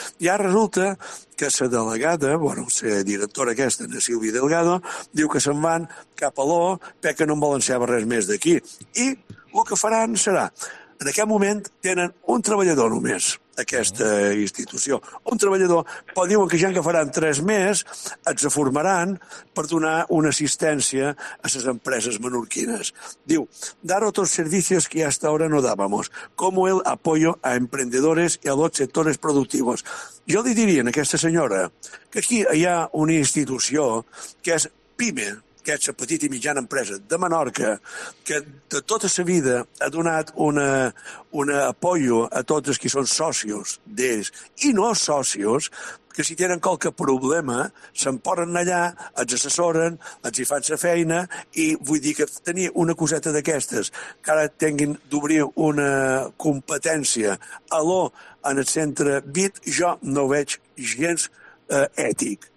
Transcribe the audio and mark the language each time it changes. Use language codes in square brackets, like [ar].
[ca] I ara resulta que la delegada, bueno, la directora aquesta, la Sílvia Delgado, diu que se'n van cap a l'O, perquè no en volen saber res més d'aquí. I el que faran serà, en aquest moment tenen un treballador només, aquesta institució, un treballador, però diuen que ja en agafaran tres més, ens formaran per donar una assistència a les empreses menorquines. Diu, [es] dar otros servicios que hasta ahora no dábamos, como el apoyo a emprendedores y a los sectores productivos. [ca] Jo li diria a aquesta senyora que aquí hi ha una institució que és PIME, que és la petita i mitjana empresa de Menorca, que de tota sa vida ha donat un apoio a tots els que són socis d'ells, i no socis, que si tenen qualque problema se'n poden allà, ens assessoren, ens hi fan sa feina, i vull dir que tenir una coseta d'aquestes, que ara tinguin d'obrir una competència a l'O en el centre BIT, jo no ho veig gens ètic.